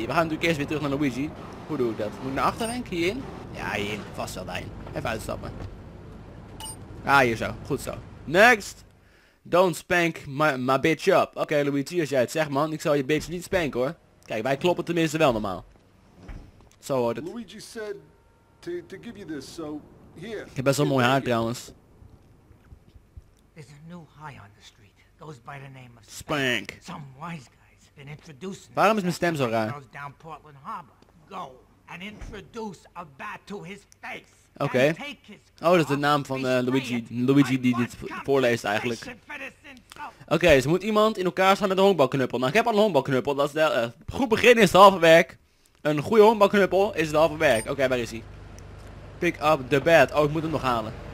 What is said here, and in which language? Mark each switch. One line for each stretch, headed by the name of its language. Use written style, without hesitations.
Dutch: We gaan natuurlijk eerst weer terug naar Luigi. Hoe doe ik dat? Moet ik naar achteren denk ik? Hierin? Ja, hierin. Vast wel daarin. Even uitstappen. Ah, hier zo. Goed zo. Next!
English: Don't spank my bitch up.
Dutch: Oké, Luigi, als jij het zegt, man. Ik zal je bitch niet spanken, hoor. Kijk, wij kloppen tenminste wel normaal. Zo hoort het.
English: Luigi said to give you this, so here.
Dutch: Ik heb best wel mooi haar trouwens.
English: There's a new high on the street. Goes by the name of Spank. Some wise guys been introducing.
Dutch: Waarom is mijn stem zo raar?
English: Down Portland Harbor. Go and introduce a bat to his face.
Dutch: Oké. Okay. Oh, dat is de naam van Luigi die dit voorleest eigenlijk. Oké, okay, ze moet iemand in elkaar slaan met een honkbalknuppel. Nou, ik heb al een honkbalknuppel. Dat is de, goed begin is het halve werk. Een goede honkbalknuppel is het halve werk. Oké, okay, waar is hij?
English: Pick up the bat.
Dutch: Oh, ik moet hem nog halen.